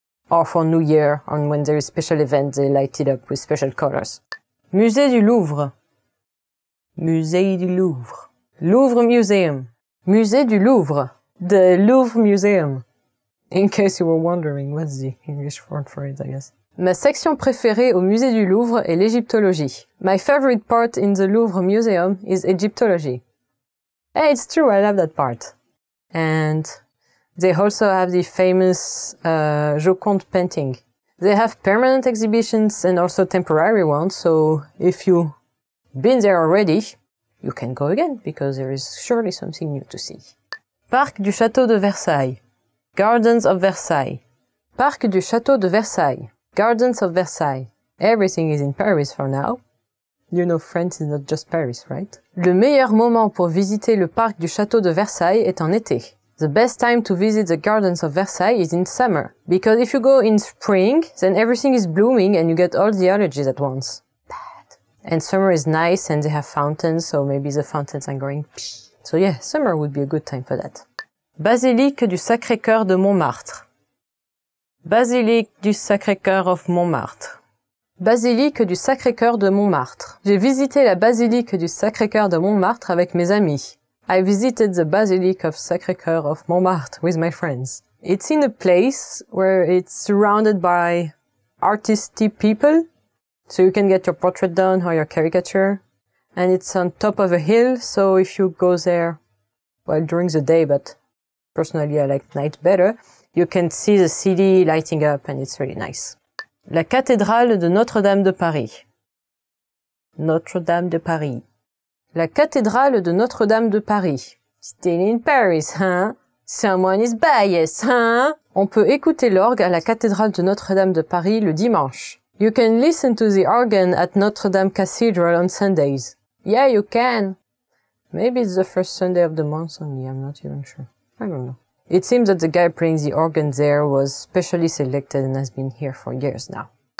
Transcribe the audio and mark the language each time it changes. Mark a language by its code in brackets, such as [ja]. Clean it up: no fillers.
[en] Or for New Year, and when there is special event, they light it up with special colors. [fr] Musée du Louvre. Musée du Louvre. [en] Louvre Museum. Musée du Louvre. The Louvre Museum. In case you were wondering, what's the English word for it, I guess. [fr] Ma section préférée au Musée du Louvre est l'égyptologie. [en] My favorite part in the Louvre Museum is Egyptology. Hey, it's true, I love that part. And they also have the famous Joconde painting. They have permanent exhibitions and also temporary ones, so if you've been there already, you can go again, because there is surely something new to see. [fr] Parc du Château de Versailles. Gardens of Versailles. [en] Parc du Château de Versailles. Gardens of Versailles. Everything is in Paris for now. You know France is not just Paris, right? [fr] Le meilleur moment pour visiter le parc du Château de Versailles est en été. [en] The best time to visit the Gardens of Versailles is in summer. Because if you go in spring, then everything is blooming and you get all the allergies at once. Bad. And summer is nice and they have fountains, so maybe the fountains are going pshh. So yeah, summer would be a good time for that. [fr] Basilique du Sacré-Cœur de Montmartre. Basilique du Sacré-Cœur of Montmartre. Basilique du Sacré-Cœur de Montmartre. J'ai visité la Basilique du Sacré-Cœur de Montmartre avec mes amis. [en] I visited the Basilic of Sacré-Cœur of Montmartre with my friends. It's in a place where it's surrounded by artisty people, so you can get your portrait done or your caricature. And it's on top of a hill, so if you go there, well, during the day, but personally I like night better, you can see the city lighting up and it's really nice. [fr] La cathédrale de Notre-Dame de Paris. Notre-Dame de Paris. La cathédrale de Notre-Dame de Paris. [en] Still in Paris, [fr] hein? [en] Someone is biased, hein? [fr] On peut écouter l'orgue à la cathédrale de Notre-Dame de Paris le dimanche. [en] You can listen to the organ at Notre-Dame Cathedral on Sundays. Yeah, you can. Maybe it's the first Sunday of the month only, I'm not even sure. I don't know. It seems that the guy playing the organ there was specially selected and has been here for years now.